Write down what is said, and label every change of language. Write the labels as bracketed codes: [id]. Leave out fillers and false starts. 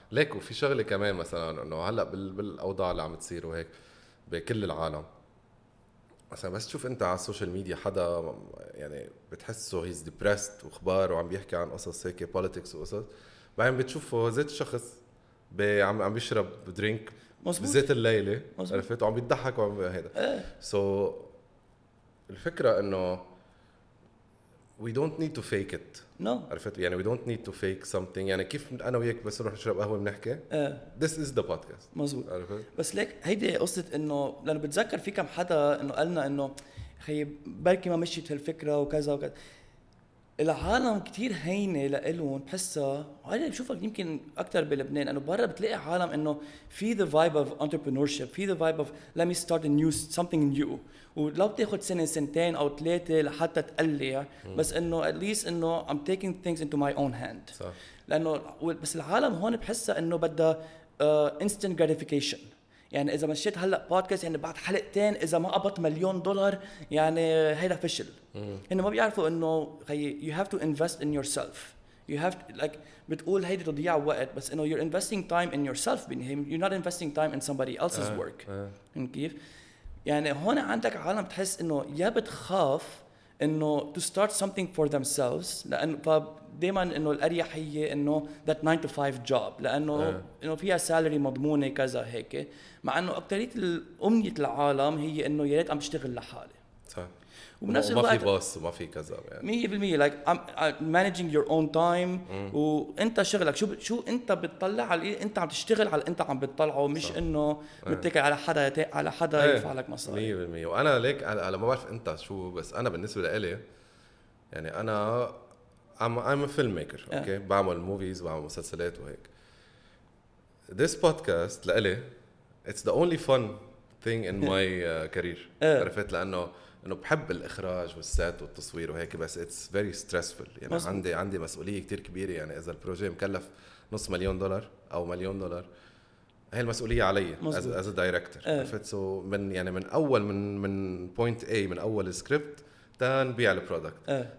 [ar] ليك وفي شغلة كمان مثلاً إنه هلأ بالأوضاع اللي عم تصير وهيك بكل العالم، مثلاً بس تشوف أنت على السوشيال ميديا حدا يعني بتحسه [en] he's depressed [ar] وخبار وعم بيحكي عن قصص هيك politics وقصص، بعدين بتشوفه زيت الشخص عم بيشرب drink بزيت الليلة، عرفت، وعم بيضحك وعم هذا. [en] So [ar] الفكرة إنه [en] we don't need to fake it. No. [ar] عرفت يعني [en] we don't need to fake something. [ar] يعني كيف أنا وياك بس نروح نشرب قهوة بنحكي. [en] This is the podcast. [ar] مزبوط. عرفت. بس ليك هيدي قصة إنه لأنه بتذكر في كم حدا إنه قالنا إنه خي بركي ما مشيت هالفكرة وكذا وكذا. العالم كتير هينة لإلهم بحسها، وهذا بشوفك يمكن أكتر بلبنان، أنه برا بتلاقي عالم أنه في [en] the vibe of entrepreneurship، [ar] في [en] the vibe of let me start a new something new، [ar] ولو بتاخد سنة سنتين أو ثلاثة لحتى تقلع، بس أنه [en] at least [ar] أنه [en] I'm taking things into my own hand. [ar] صح. لأنه بس العالم هون بحسها أنه بدها [en] instant gratification. [ar] يعني إذا مشيت هلأ بودكاست يعني بعد حلقتين إذا ما قبط $1,000,000 يعني هيدا فشل. إنه ما بيعرفوا إنه خي [en] you have to invest in yourself. You have to, like [ar] بتقول هيدا تضيع وقت، بس إنه [en] you're investing time in yourself بين him. You're not investing time in somebody else's work. [ar] كيف؟ يعني هون عندك عالم تحس إنه يا بتخاف إنه [en] to start something for themselves، [ar] لأن فدايما إنه الأريح هي إنه [en] that 9-to-5 job، [ar] لأنه إنه فيها salary مضمونة كذا هيك، مع إنه أكترية الأمنية العالم هي إنه ياريت عم تشتغل لحالي. صح. وبنفس الوقت ما في boss وما في كذا يعني. [en] 100% like I'm managing your own time. [ar] وأنت شغلك شو أنت بتطلع على إيه، أنت عم تشتغل على أنت عم بتطلعه، مش إنه متكل على حدا يدفع لك مصاري. 100% وأنا ليك على ما بعرف أنت شو، بس أنا بالنسبة لي يعني أنا [en] I'm a filmmaker. [ar] أوكي. بعمل movies وبعمل مسلسلات وهيك. [en] This podcast لإلي it's the only fun thing in my career. [ar] عرفت، لأنه إنه بحب الإخراج والسات والتصوير وهيك، بس [en] it's very stressful. [ar] يعني مصبوط. عندي مسؤولية كتير كبيرة. يعني إذا البروجي مكلف $500,000 أو $1,000,000 هاي المسؤولية علي [en] as a director. [ar] عرفت. So من يعني من أول من point A من أول السكريبت تان بيع البرودكت.